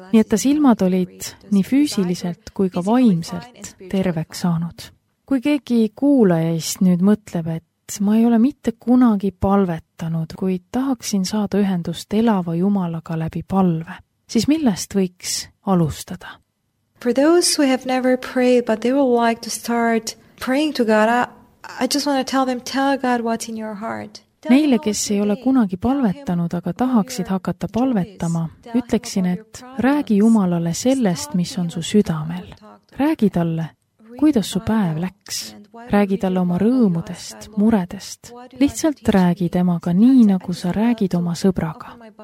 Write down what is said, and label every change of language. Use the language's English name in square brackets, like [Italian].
[Estonian] Nii et ta silmad olid nii füüsiliselt kui ka vaimselt terveks saanud. Kui keegi kuulajaist nüüd mõtleb, et ma ei ole mitte kunagi palvetanud, kuid tahaksin saada ühendust elava Jumalaga läbi palve, siis millest võiks alustada? [English] For those who have never prayed, but they would like to start praying to God, I just want to tell them, tell God what's in your heart. [Estonian] Neile, kes ei ole kunagi palvetanud, aga tahaksid hakata palvetama, ütleksin, et räägi Jumalale sellest, mis on su südamel. Räägi talle, kuidas su päev läks. Räägi talle oma rõõmudest, muredest. Lihtsalt räägi temaga nii, nagu sa räägid oma sõbraga.